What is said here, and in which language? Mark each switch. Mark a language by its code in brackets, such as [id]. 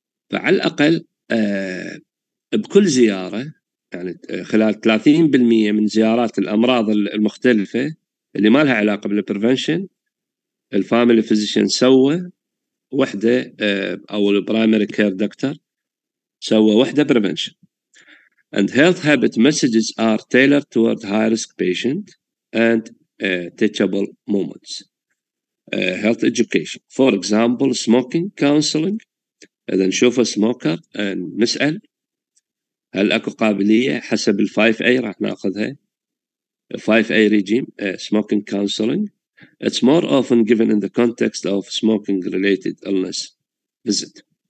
[ar] فعلى الأقل بكل زيارة، يعني خلال 30% من زيارات الأمراض المختلفة اللي ما لها علاقة بالبريفنشن، الفاميلي فيزيشن سوى وحدة أو البرايمري كير دكتور سوى وحدة بريفنشن. [en] And health habit messages are tailored toward high risk patient and teachable moments. Health education, for example, smoking counseling. [ar] إذا نشوف سموكر نسأل هل أكو قابلية حسب الفايف أي راح نأخذها، فايف أي ريجيم سموكينج كونسلينج. [en] It's more often given in the context of smoking related illness visit.